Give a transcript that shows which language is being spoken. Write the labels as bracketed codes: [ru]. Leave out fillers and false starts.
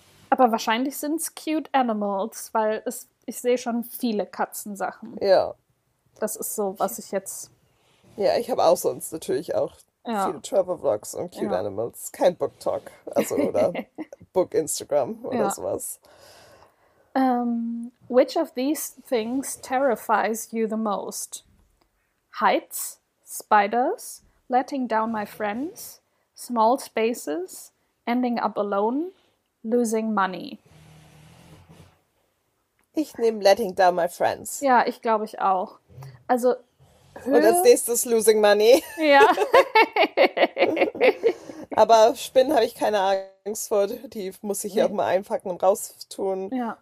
[de] Aber wahrscheinlich sind es Cute Animals, weil ich sehe schon viele Katzensachen. Ja. Das ist so, was ich jetzt... Ja, ich habe auch sonst natürlich auch viele Travel Vlogs und Cute Animals. Kein Book Talk, also oder Book Instagram oder sowas. [en] Which of these things terrifies you the most? Heights, spiders, letting down my friends, small spaces, ending up alone, losing money. [de] Ich nehme [en] letting down my friends. [de] Ja, ich glaube ich auch. Also Höhe. Und als nächstes [en] losing money. [de] Ja. Aber Spinnen habe ich keine Angst vor. Die muss ich auch mal einpacken und raustun. Ja.